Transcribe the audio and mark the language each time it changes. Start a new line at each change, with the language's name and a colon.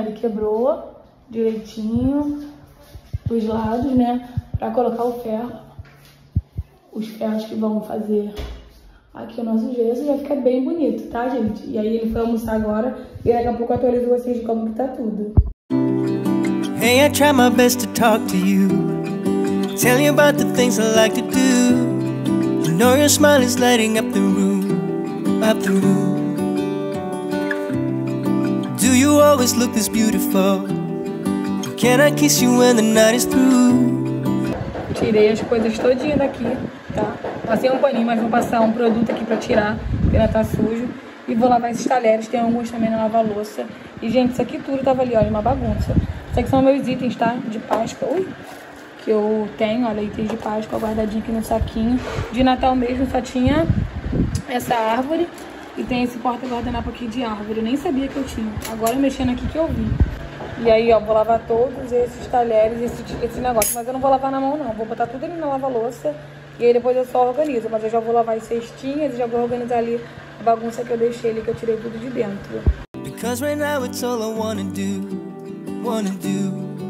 Portuguese: Ele quebrou direitinho dos lados, né, pra colocar o ferro, os ferros que vão fazer aqui o nosso gesso, já fica bem bonito, tá, gente? E aí ele foi almoçar agora e daqui a pouco eu atualizo vocês de como que tá tudo.
English: Hey, I try my best to talk to you. Tell you about the things I like to do. You know your smile is lighting up the room, up the room. Do you always look this beautiful? Can I kiss you when the night is through?
Portuguese: Tirei as coisas todinhas daqui, tá? Passei um paninho, mas vou passar um produto aqui pra tirar, porque ainda tá sujo. E vou lavar esses talheres, tem alguns também na lava-louça. E, gente, isso aqui tudo tava ali, olha, uma bagunça. Isso aqui são meus itens, tá? De Páscoa. Ui! Que eu tenho, olha, itens de Páscoa guardadinho aqui no saquinho. De Natal mesmo só tinha essa árvore e tem esse porta-guardanapo aqui de árvore. Eu nem sabia que eu tinha. Agora mexendo aqui que eu vi. E aí, ó, vou lavar todos esses talheres, esse negócio. Mas eu não vou lavar na mão, não. Vou botar tudo ali na lava-louça e aí depois eu só organizo. Mas eu já vou lavar as cestinhas e já vou organizar ali a bagunça que eu deixei ali, que eu tirei tudo de dentro.
English: Because right now it's all I wanna do, wanna do.